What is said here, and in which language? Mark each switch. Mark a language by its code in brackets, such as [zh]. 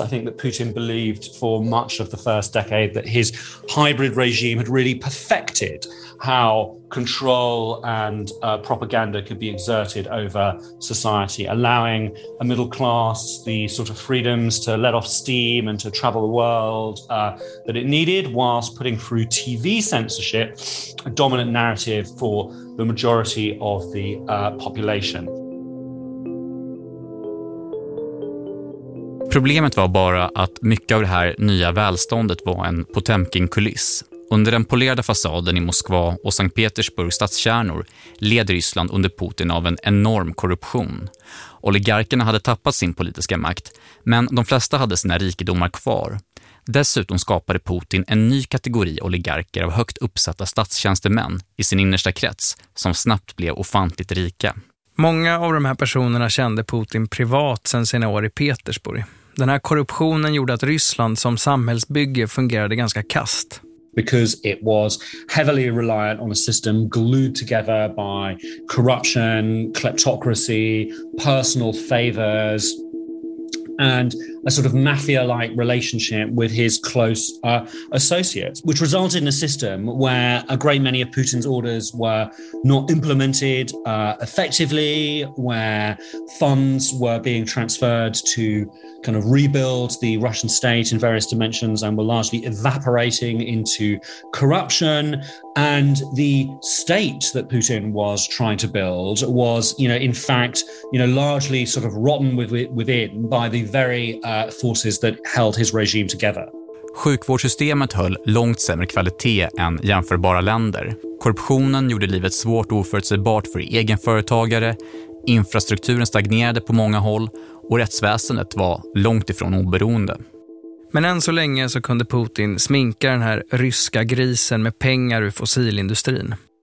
[en] I think that Putin believed for much of the first decade that his hybrid regime had really perfected how control and propaganda could be exerted over society, allowing a middle class the sort of freedoms to let off steam and to travel the world that it needed, whilst putting through TV censorship, a dominant narrative for the majority of the population. [sv] Problemet var bara att mycket av det här nya välståndet var en Potemkin-kuliss. Under den polerade fasaden i Moskva och Sankt Petersburgs stadskärnor led Ryssland under Putin av en enorm korruption. Oligarkerna hade tappat sin politiska makt, men de flesta hade sina rikedomar kvar. Dessutom skapade Putin en ny kategori oligarker av högt uppsatta statstjänstemän i sin innersta krets som snabbt blev ofantligt rika. Många av de här personerna kände Putin privat sedan sina år i Petersburg. Den här korruptionen gjorde att Ryssland som samhällsbygge fungerade ganska kast. [en] Because it was heavily reliant on a system glued together by corruption, kleptocracy, personal favors, and a sort of mafia-like relationship with his close associates, which resulted in a system where a great many of Putin's orders were not implemented effectively, where funds were being transferred to kind of rebuild the Russian state in various dimensions and were largely evaporating into corruption. And the state that Putin was trying to build was, you know, in fact, you know, largely sort of rotten within by the very forces that held his regime together. [sv] Sjukvårdssystemet höll långt sämre kvalitet än jämförbara länder. Korruptionen gjorde livet svårt och oförutsägbart för egenföretagare. Infrastrukturen stagnerade på många håll och rättsväsendet var långt ifrån oberoende. Men än så länge så kunde Putin sminka den här ryska grisen med pengar ur fossilindustrin.